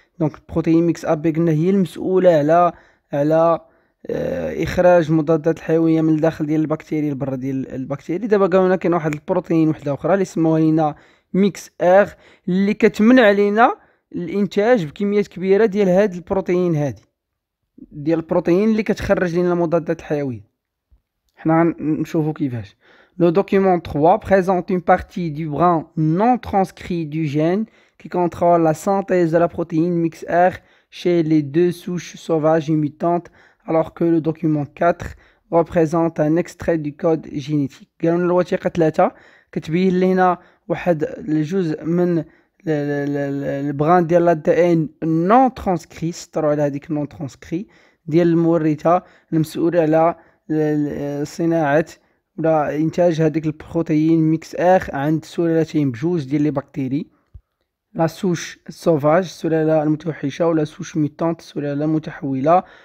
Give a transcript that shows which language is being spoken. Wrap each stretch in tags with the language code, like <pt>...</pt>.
<ar>دونك البروتين ميكس اب بي قلنا هي المسؤولة على اخراج المضادات الحيوية من الداخل ديال البكتيريا لبرا ديال البكتيريا. دابا قالوا لنا كاين واحد البروتين وحدة اخرى اللي سموها لينا ميكس اغ، اللي كتمنع علينا الانتاج بكميات كبيرة ديال هاد البروتين، هادي ديال البروتين اللي كتخرج لينا المضادات الحيوية. حنا نشوفو كيفاش.</ar> <fr>Le document 3 présente une partie du brin non transcrit du gène qui contrôle la synthèse de la protéine MixR chez les deux souches sauvages et mutantes, alors que le document 4 représente un extrait du code génétique.</fr> <ar>قالوا الوثيقة 3 كتبين لنا واحد الجزء من البران ديال الADN</ar> <fr>non transcrit،</fr> <ar>سطروا على هذيك non transcrit ديال المورثة المسؤولة على صناعة ولا انتاج هذيك البروتين ميكس اخ عند سلالتين بجوج ديال لي بكتيري، لا سوش سوفاج السلاله المتوحشه ولا سوش ميتانت السلاله المتحوله.</ar>